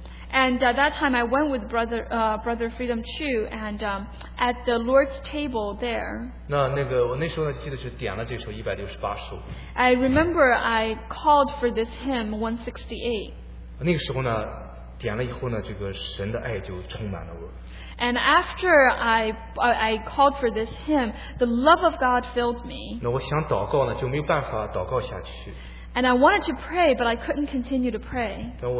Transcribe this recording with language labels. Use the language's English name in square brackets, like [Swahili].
[English] And at that time, I went with Brother Freedom Chu, and at the Lord's table there. [Chinese] 那个我那时候呢，记得是点了这首168首。 [English] I remember I called for this hymn 168. [Chinese] 那个时候呢，点了以后呢，这个神的爱就充满了我。 [English] And after I called for this hymn, the love of God filled me. [Chinese] 那我想祷告呢，就没有办法祷告下去。 [English] And I wanted to pray, but I couldn't continue to pray.